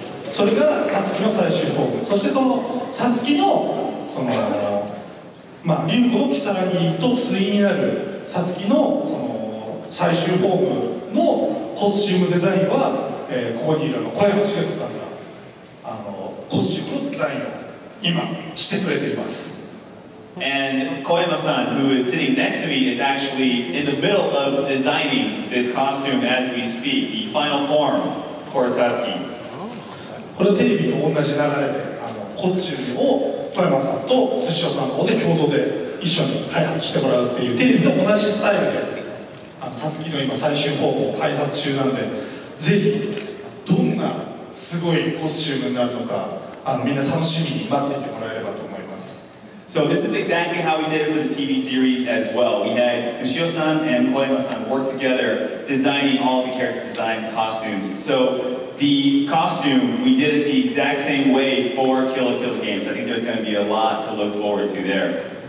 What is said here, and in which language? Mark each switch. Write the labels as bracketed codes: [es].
[ja] それがサツキの最終フォーム。そしてそのサツキの、その、まあ、リュウコのキサラギと対になるサツキのその最終フォームのコスチュームデザインは、ここにいるの小山茂さんがあのコスチュームのデザインを今してくれています。 [en] And Koyama-san, who is sitting next to me, is actually in the middle of designing this costume as we speak, the final form for Satsuki. [ja] これテレビと同じ流れであのコスチュームを小山さんと寿司屋さんの方で共同で一緒に開発してもらうっていうテレビと同じスタイルで、あの Satsuki の今最終フォームを開発中なので、ぜひどんなすごいコスチュームになるのか、あのみんな楽しみに待っていてもらえればと。 [en] So this is exactly how we did it for the TV series as well. We had Sushio-san and Koyama-san work together designing all the character designs, costumes. So the costume, we did it the exact same way for Kill la Kill games. I think there's going to be a lot to look forward to there.